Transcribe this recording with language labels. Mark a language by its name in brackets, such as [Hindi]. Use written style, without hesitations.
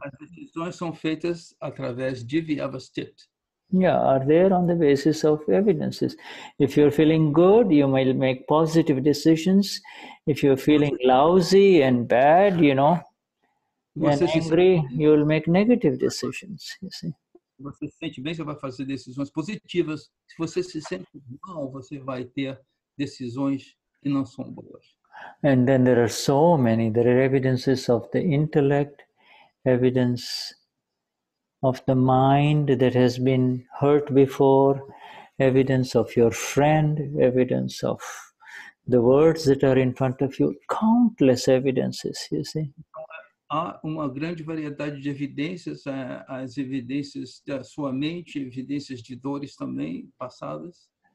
[Portuguese] As decisões são feitas através de vyavasthit. [English] Yeah, are there on the basis of evidences. If you're feeling good, you might make positive decisions. If you're feeling lousy and bad, you know, when angry, you will make negative decisions, you see. [Portuguese] Você se sente bem, você vai fazer decisões positivas. Se você se sente mal, você vai ter decisões que não são boas. [English] And then there are so many. There are evidences of the intellect, evidence of the mind that has been hurt before, evidence of your friend, evidence of the words that are in front of you. Countless evidences, you see. [Portuguese] Há uma grande variedade de evidências, as evidências da sua mente, evidências de dores também passadas.